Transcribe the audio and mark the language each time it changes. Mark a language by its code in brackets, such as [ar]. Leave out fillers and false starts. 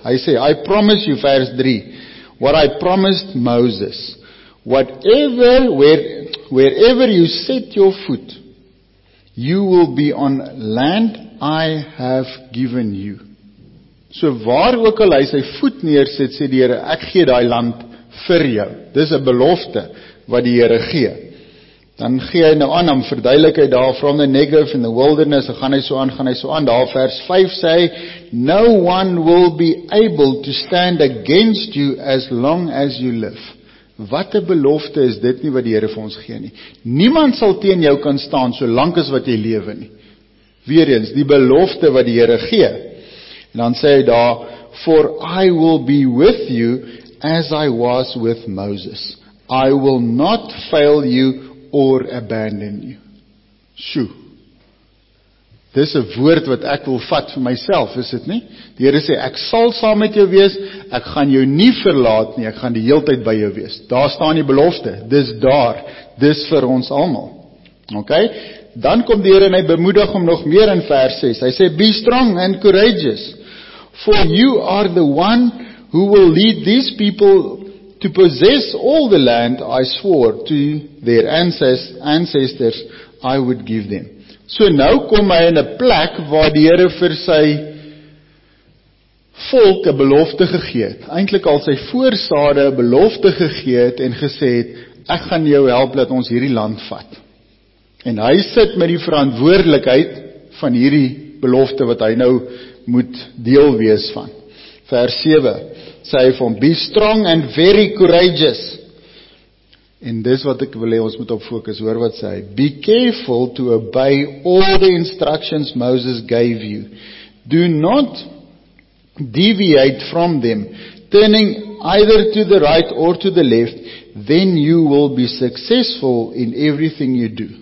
[af] Hy sê, [en] I promise you, vers 3, what I promised Moses, wherever you set your foot, you will be on land I have given you. [af] So waar ook al hy sy voet neerset, sê die Here, ek gee daai land vir jou. Dis 'n belofte wat die Here gee. Dan gee hy nou aan, dan verduidelik hy daar [en] from the Negev in the wilderness, [af] dan gaan hy so aan, daar vers 5 sê, [en] No one will be able to stand against you as long as you live. [af] Wat 'n belofte is dit nie wat die Here vir ons gee nie. Niemand sal teen jou kan staan so lank as wat jy lewe nie. Weereens, die belofte wat die Here gee. En dan sê hy daar, [en] For I will be with you as I was with Moses. I will not fail you or abandon you. [af] Sjoe. Dis 'n woord wat ek wil vat vir myself, is dit nie? Die Here sê, ek sal saam met jou wees, ek gaan jou nie verlaat nie, ek gaan die heel tyd by jou wees. Daar staan die belofte, dis daar, dis vir ons allemaal. Ok, dan kom die Here en hy bemoedig om nog meer in vers 6. [en] Hy sê, be strong and courageous, for you are the one who will lead these people to possess all the land I swore to their ancestors I would give them. [af] So nou kom hy in 'n plek waar die Here vir sy volk 'n belofte gegee het, eintlik al sy voorsade 'n belofte gegee het en gesê het, ek gaan jou help dat ons hierdie land vat. En hy sit met die verantwoordelikheid van hierdie belofte wat hy nou moet deel wees van. Vers 7, sê hy van, [en] be strong and very courageous. [af] En dis wat ek wil hê, ons moet op fokus, hoor wat sê hy. [en] Be careful to obey all the instructions Moses gave you. Do not deviate from them, turning either to the right or to the left, then you will be successful in everything you do.